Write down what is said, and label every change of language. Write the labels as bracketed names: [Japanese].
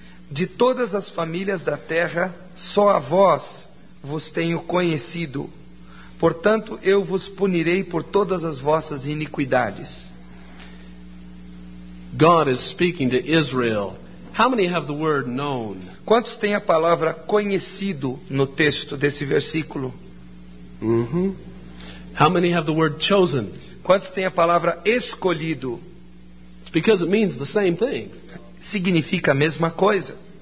[Portuguese] De todas as famílias da terra, só a vós vos tenho conhecido. Portanto, eu vos punirei por todas as vossas iniquidades. [English] God is speaking to Israel. How many have the word known? [Portuguese] Quantos têm a palavra conhecido no texto desse versículo? Mm-hmm. [English] How many have the word chosen? [Portuguese] Quantos têm a palavra escolhido? [English] It's because it means the same thing. [Portuguese] Significa a mesma coisa.